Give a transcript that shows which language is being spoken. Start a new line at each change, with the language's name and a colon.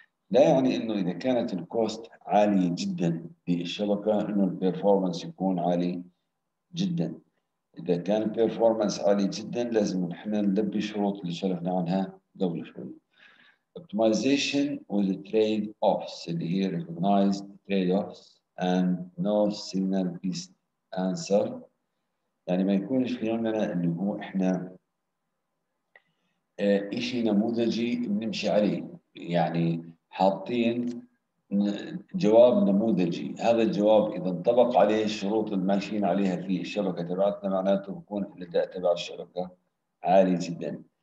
Arabic: لا يعني إنه إذا كانت الكوست عالية جدا بالشبكة إنه البرفورمانس يكون عالي جدا. إذا كان البرفورمانس عالي جدا لازم إحنا نلبي شروط اللي شرحنا عنها قبل شوي.
English: Optimization with trade offs
Arabic: اللي هي
English: recognized trade offs and no signal based answer.
Arabic: يعني ما يكونش في عندنا اللي هو احنا اشي نموذجي بنمشي عليه، يعني حاطين جواب نموذجي، هذا الجواب اذا انطبق عليه الشروط اللي ماشيين عليها في الشبكه تبعتنا معناته بكون الاداء تبع الشبكه عالي جدا.